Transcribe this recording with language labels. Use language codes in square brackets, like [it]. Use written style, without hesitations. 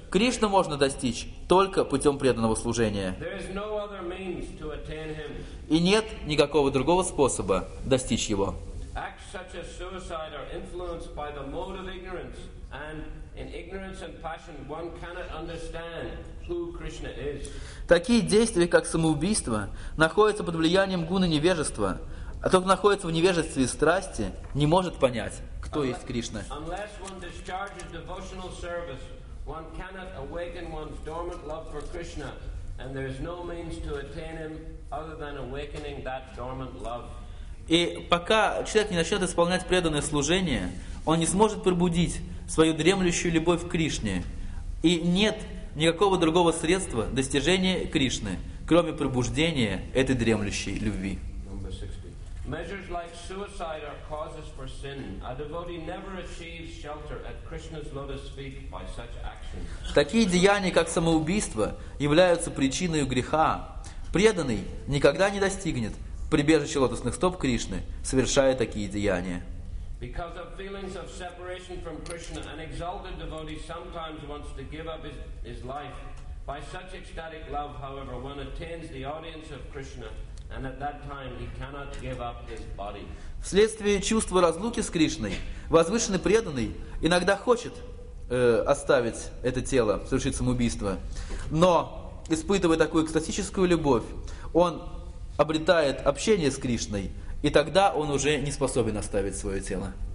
[ru] Кришну можно достичь только путем преданного служения. [en] There is no other means to attain him. [ru] И нет никакого другого способа достичь его. [en] Acts such as suicide are influenced by the mode of ignorance, and in ignorance and passion one cannot understand who Krishna is. [ru] Такие действия, как самоубийство, находятся под влиянием гуны невежества. А тот, кто находится в невежестве и страсти, не может понять, кто есть Кришна. [en] Unless one discharges devotional service, one cannot awaken one's dormant love for Krishna, and there is no means to attain him other than awakening that dormant love. [ru] И пока человек не начнет исполнять преданное служение, он не сможет пробудить свою дремлющую любовь к Кришне. И нет никакого другого средства достижения Кришны, кроме пробуждения этой дремлющей любви. [en] Measures like suicide are causes for sin. A devotee never achieves shelter at Krishna's lotus feet by such actions. [ru] Такие деяния, как самоубийство, являются причиной греха. Преданный никогда не достигнет прибежища лотосных стоп Кришны, совершая такие деяния. [en] Because of feelings of separation from Krishna, an exalted devotee sometimes wants to give up his life. By such ecstatic love, however, one attains the audience of Krishna. And at that time he cannot give up his body. [ru] Вследствие чувства разлуки с Кришной, возвышенный преданный иногда хочет оставить это тело, совершить самоубийство. Но, испытывая такую экстатическую любовь, он обретает общение с Кришной, и тогда он уже не способен оставить свое тело.